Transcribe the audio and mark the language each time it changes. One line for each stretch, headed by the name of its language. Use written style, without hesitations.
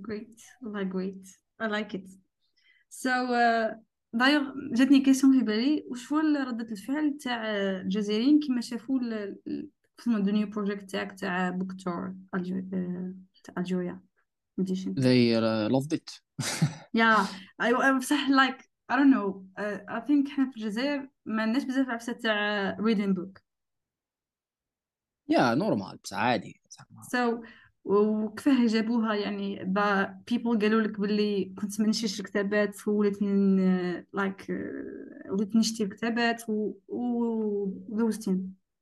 English: Great, like great. I like it.
Arabic: So, دايوغ جاتني كيسيون في بالي، وش هو ردة الفعل تاع الجزائريين كيما شافوا دو نيو بروجيكت تاعك تاع بوك تور تاع الجويا اديشن؟
English: they loved it. Yeah, بصح like I don't know. I think
Arabic: احنا في الجزائر ما عندناش بزاف عفسة تاع
English: reading book.
Arabic: يا نورمال بس عادي زعما. So وكفاه جابوها يعني people قالوا لك باللي كنت ما نشريش الكتابات وليت لايك وليت نشتي الكتابات وذوزتين.